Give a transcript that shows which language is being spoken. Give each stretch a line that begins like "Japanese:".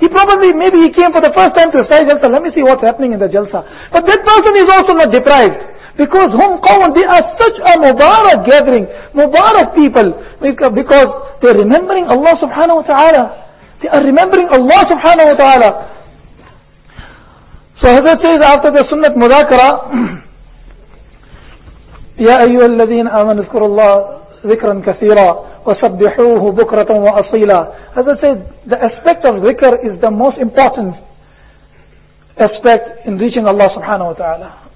English: He probably, maybe he came for the first time to say jalsa, let me see what's happening in the jalsa. But that person is also not deprived. Because
Arabic: hum qawmun,
English: they are such a mubarak gathering, mubarak people, because they are remembering Allah subhanahu wa ta'ala. They are remembering Allah subhanahu wa ta'ala. So Hazrat says after the sunnat mudakara,
Arabic: يا أيها الذين آمنوا اذكروا الله ذكرا كثيرا وسبحوه بكرة وأصيلا.
English: As I said, the aspect of dhikr is the most important aspect in reaching Allah subhanahu wa ta'ala.